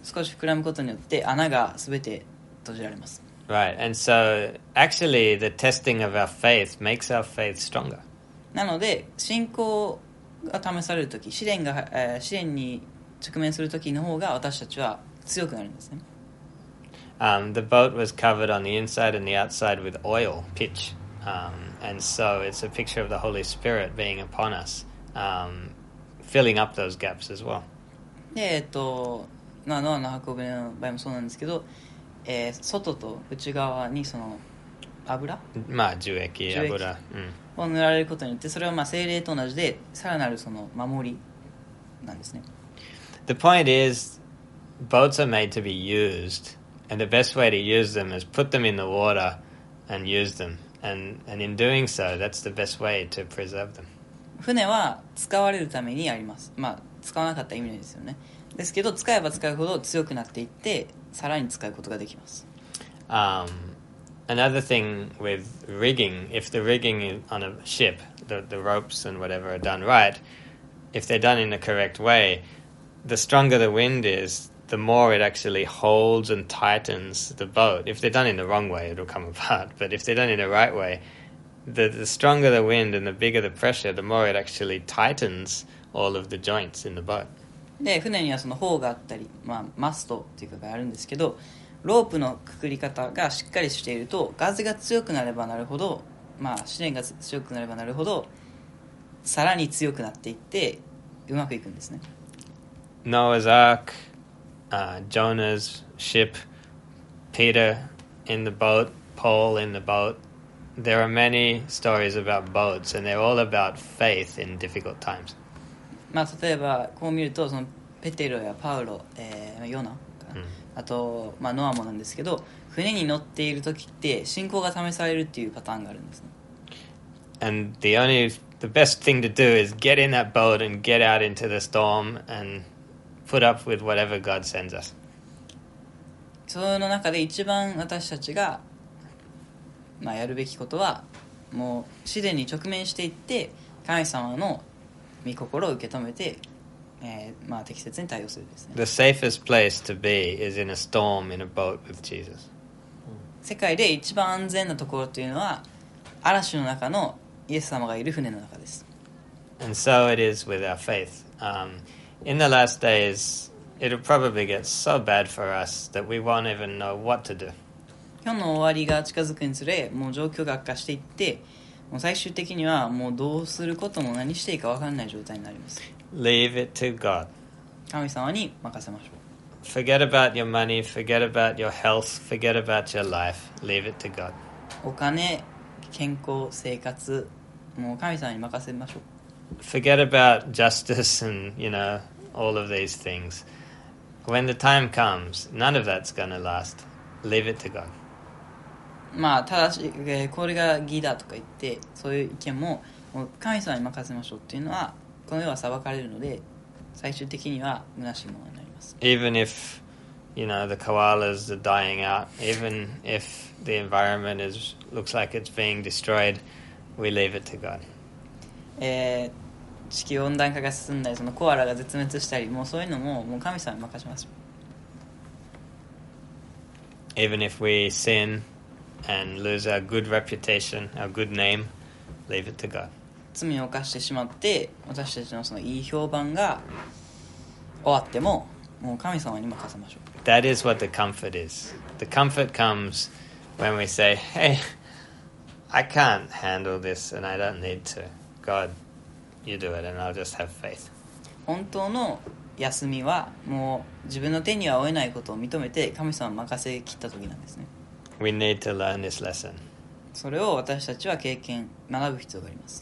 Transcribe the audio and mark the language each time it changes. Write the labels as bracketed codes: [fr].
[ja] 少し膨らむことによって穴が全て閉じられます。 [en] Right, and so actually the testing of our faith makes our faith stronger. [ja] なので信仰が試されるとき、試練に直面するときの方が私たちは強くなるんですね。 [en] The boat was covered on the inside and the outside with oil, pitch. And so it's a picture of the Holy Spirit being upon us, filling up those gaps as well. [ja] で、ノアの箱舟の場合もそうなんですけど、外と内側にその油、まあ、樹液、油を塗られることによってそれはまあ聖霊と同じでさらなるその守りなんですね。 [en] The point is boats are made to be used and the best way to use them is put them in the water and use them and in doing so that's the best way to preserve them. [ja] 船は使われるためにあります、まあ、使わなかった意味ないですよね。ですけど使えば使うほど強くなっていってさらに使うことができます。 [en] Another thing with rigging, if the rigging on a ship, the ropes and whatever are done right, if they're done in the correct way, the stronger the wind is, the more it actually holds and tightens the boat. If they're done in the wrong way, it'll come apart. But if they're done in the right way, the stronger the wind and the bigger the pressure, the more it actually tightens all of the joints in the boat. [ja] で船にはその帆があったり、まあ、マストっていうかがあるんですけど、ロープのくくり方がしっかりしていると、ガズが強くなればなるほど、まあ試練が強くなればなるほど、さらに強くなっていってうまくいくんですね。 [en] Noah's ark、Jonah's ship、 Peter in the boat、 Paul in the boat。 There are many stories about boats and they're all about faith in difficult times。 [ja] まあ例えばこう見るとそのペテロやパウロ、ヨナ、あと、まあ、ノアもなんですけど、船に乗っている時って信仰が試されるっていうパターンがあるんですね。 [en] And the only the best thing to do is get in that boat and get out into the storm and put up with whatever God sends us。 [ja] その中で一番私たちが、まあ、やるべきことはもう試練に直面していって神様の御心を受け止めて、まあ、適切に対応するですね。 [en] The safest place to be is in a storm in a boat with Jesus。 [ja] 世界で一番安全なところというのは嵐の中のイエス様がいる船の中です。 [en] And so it is with our faith、in the last days it'll probably get so bad for us that we won't even know what to do。 [ja] 世の終わりが近づくにつれもう状況が悪化していって、もう最終的にはもうどうすることも何していいか分からない状態になります。 [en] Leave it to God. [ja] 神様に任せましょう。 [en] Forget about your money, forget about your health, forget about your life. Leave it to God. [ja] お金、健康、生活、もう神様に任せましょう。 [en] Forget about justice and, you know, all of these things. When the time comes, none of that's gonna last. Leave it to God. [ja] まあ、ただし、これが義だとか言って、そういう意見も、もう神様に任せましょうっていうのは、この世は裁かれるので最終的には虚しいものになります。 [en] Even if you know the koalas are dying out, even if the environment is looks like it's being destroyed, we leave it to God。 [ja] 地球温暖化が進んだりそのコアラが絶滅したりもうそういうのももう神様に任せます。 [en] Even if we sin and lose our good reputation, our good name, leave it to God。 [ja] 罪を犯してしまって私たちのそのいい評判が終わってももう神様に任せましょう。 [en] That is what the comfort is. The comfort comes when we say, Hey, I can't handle this and I don't need to. God, you do it and I'll just have faith. [ja] 本当の休みはもう自分の手には負えないことを認めて神様に任せ切った時なんですね。 [en] We need to learn this lesson. [ja] それを私たちは経験、学ぶ必要があります。